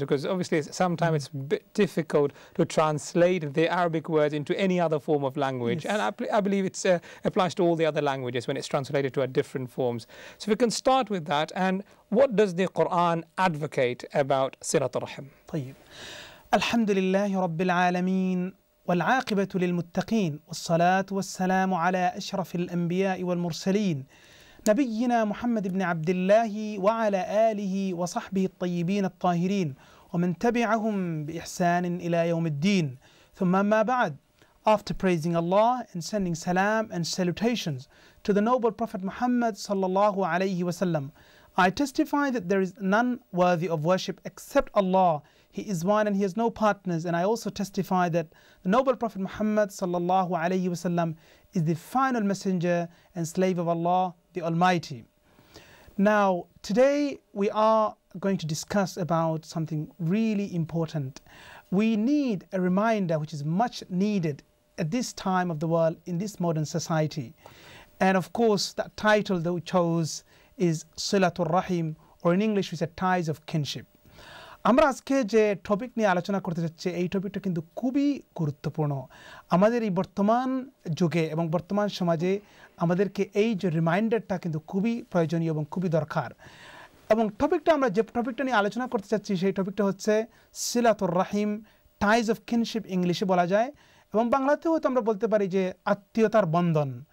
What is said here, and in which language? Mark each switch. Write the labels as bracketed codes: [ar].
[en] Because obviously sometimes it's a bit difficult to translate the Arabic words into any other form of language. Yes. And I believe it applies to all the other languages when it's translated to a different forms. So we can start with that. And what does the Quran advocate about Silat al-Rahim? [ar] طيب. الحمد لله رب العالمين والعاقبة للمتقين والصلاة والسلام على أشرف الأنبياء والمرسلين نبينا محمد بن عبد الله وعلى آله وصحبه الطيبين الطاهرين ومن تبعهم بإحسان إلى يوم الدين ثم ما بعد. [en] After praising Allah and sending salam and salutations to the noble Prophet Muhammad [ar] صلى الله عليه وسلم, [en] I testify that there is none worthy of worship except Allah. He is one and he has no partners. And I also testify that the noble Prophet Muhammad [ar] صلى الله عليه وسلم [en] is the final messenger and slave of Allah, the Almighty. Now, today we are going to discuss about something really important. We need a reminder which is much needed at this time of the world in this modern society. And of course, that title that we chose is Silatul Rahim, or in English we said Ties of Kinship. [bn] আমরা আজকে যে topic নিয়ে আলোচনা করতে যাচ্ছি এই টপিকটা কিন্তু খুবই গুরুত্বপূর্ণ আমাদের এই বর্তমান যুগে এবং বর্তমান সমাজে আমাদেরকে এই যে রিমাইন্ডারটা কিন্তু খুবই প্রয়োজনীয় এবং খুবই দরকার এবং টপিকটা আমরা যে টপিকটা নিয়ে আলোচনা করতে যাচ্ছি সেই টপিকটা হচ্ছে সিলাতুর রাহিম [en] ties of kinship [bn] ইংলিশে বলা যায় এবং বাংলাতেও হয়তো আমরা বলতে পারি যে আত্মীয়তার বন্ধন